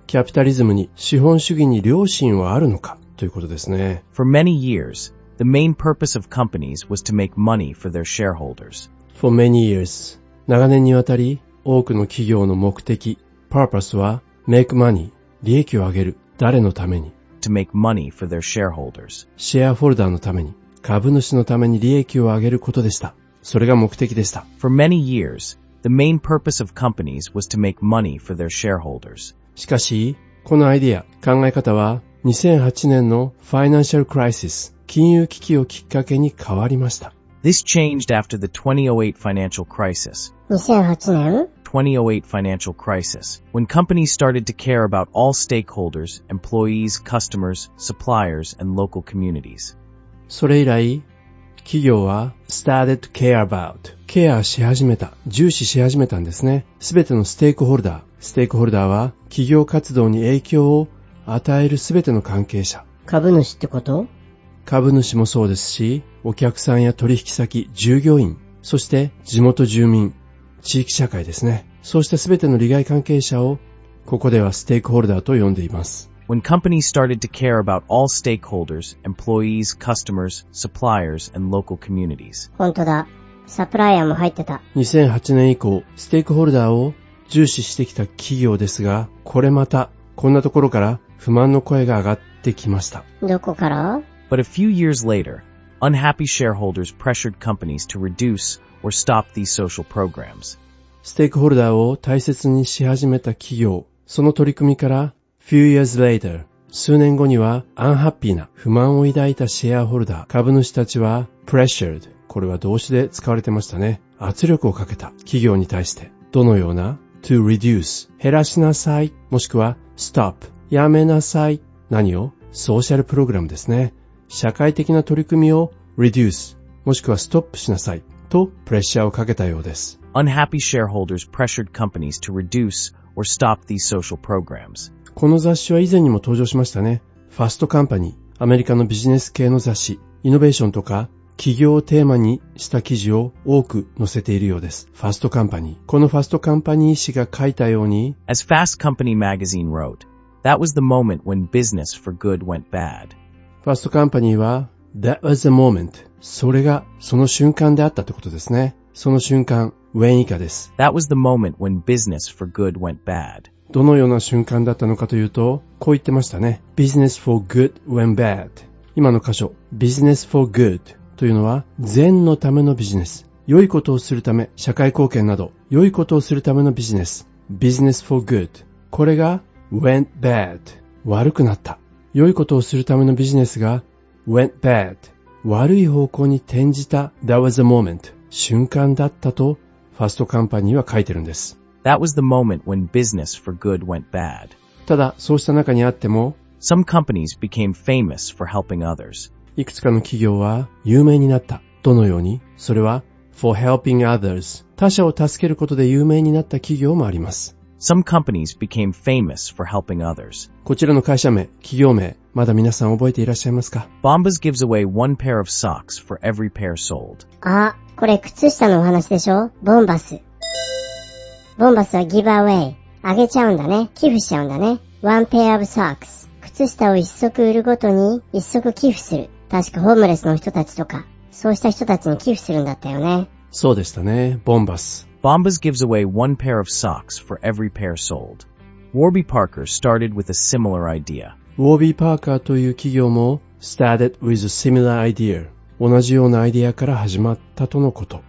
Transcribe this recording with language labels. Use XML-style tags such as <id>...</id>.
<ja>キャピタリズムに、資本主義に良心はあるのかということですね。</ja> <en>For many years, the main purpose of companies was to make money for their shareholders. For many years,</en> <ja>長年にわたり多くの企業の目的</ja> <en>purpose</en> <ja>は</ja> <en>make money</en> <ja>利益を上げる誰のために</ja> <en>to make money for their shareholders</en> <ja>シェアホルダーのために株主のために利益を上げることでしたそれが目的でした</ja> <en>For many years, the main purpose of companies was to make money for their shareholders</en> <ja>しかしこのアイデア考え方は2008年のファイナンシャルクライシス金融危機をきっかけに変わりました</ja> <en>This changed after the 2008 financial crisis.</en> <ja>2008年?</ja> <en>2008 financial crisis. When companies started to care about all stakeholders, employees, customers, suppliers, and local communities.</en> <ja>それ以来、企業は</ja> <en>started to care about,</en> <ja>ケアし始めた、重視し始めたんですね。すべてのステークホルダー。ステークホルダーは企業活動に影響を与えるすべての関係者。株主ってこと? 株主もそうですし、お客さんや取引先、従業員、そして地元住民、地域社会ですね。そうしたすべての利害関係者を、ここではステークホルダーと呼んでいます。</ja> <en>When companies started to care about all stakeholders, employees, customers, suppliers, and local communities.</en> <ja>本当だ。サプライヤーも入ってた。 2008年以降、ステークホルダーを重視してきた企業ですが、これまた、こんなところから不満の声が上がってきました。どこから?</ja> <en>But a few years later, unhappy shareholders pressured companies to reduce or stop these social programs.</en> <ja>ステークホルダーを大切にし始めた企業、その取り組みから、</ja> <en>few years later,</en> <ja>数年後には、</ja> <en>unhappy</en> <ja>な不満を抱いたシェアホルダー、株主たちは、</ja> <en>pressured、</en> <ja>これは動詞で使われてましたね。圧力をかけた企業に対して、どのような、</ja> <en>to reduce、</en> <ja>減らしなさい、もしくは、</ja> <en>stop、</en> <ja>やめなさい、何を、ソーシャルプログラムですね。社会的な取り組みを</ja> <en>reduce</en> <ja>もしくはストップしなさいとプレッシャーをかけたようです。</ja> <en>Unhappy shareholders pressured companies to reduce or stop these social programs.</en> <ja>この雑誌は以前にも登場しましたね。Fast Company アメリカのビジネス系の雑誌、イノベーションとか企業をテーマにした記事を多く載せているようです。 Fast Company この Fast Company 氏が書いたように、</ja> <en>As Fast Company magazine wrote, that was the moment when business for good went bad.</en> <ja>ファーストカンパニーは、</ja> <en>That was the moment.</en> <ja>それがその瞬間であったってことですね。その瞬間、</ja> <en>when</en> <ja>以下です。</ja> <en>That was the moment when business for good went bad.</en> <ja>どのような瞬間だったのかというと、こう言ってましたね。</ja> <en>Business for good went bad.</en> <ja>今の箇所、</ja> <en>Business for good</en> <ja>というのは、善のためのビジネス。良いことをするため、社会貢献など、良いことをするためのビジネス。</ja> <en>Business for good.</en> <ja>これが、</ja> <en>went bad.</en> <ja>悪くなった。良いことをするためのビジネスが</ja> <en>went bad</en> <ja>悪い方向に転じた</ja> <en>That was the moment</en> <ja>瞬間だったとファーストカンパニーは書いてるんです</ja> <en>That was the moment when business for good went bad</en> <ja>ただそうした中にあっても</ja> <en>Some companies became famous for helping others</en> <ja>いくつかの企業は有名になったどのようにそれは</ja> <en>for helping others</en> <ja>他者を助けることで有名になった企業もあります</ja> <en>Some companies became famous for helping others.</en> <ja>こちらの会社名、企業名、まだ皆さん覚えていらっしゃいますか?</ja> <en>Bombas gives away one pair of socks for every pair sold.</en> <ja>あ、これ靴下のお話でしょ? Bombas. Bombas は</ja> <en>give away.</en> <ja>あげちゃうんだね。寄付しちゃうんだね。</ja> <en>One pair of socks.</en> <ja>靴下を一足売るごとに一足寄付する。確かホームレスの人たちとか。そうした人たちに寄付するんだったよね。そうでしたね。ボンバス。</ja> <en>Bombas gives away one pair of socks for every pair sold. Warby Parker started with a similar idea. Warby Parker</en> <ja>という企業も</ja> <en>started with a similar idea.</en> <ja>同じようなアイデアから始まったとのこと。</ja>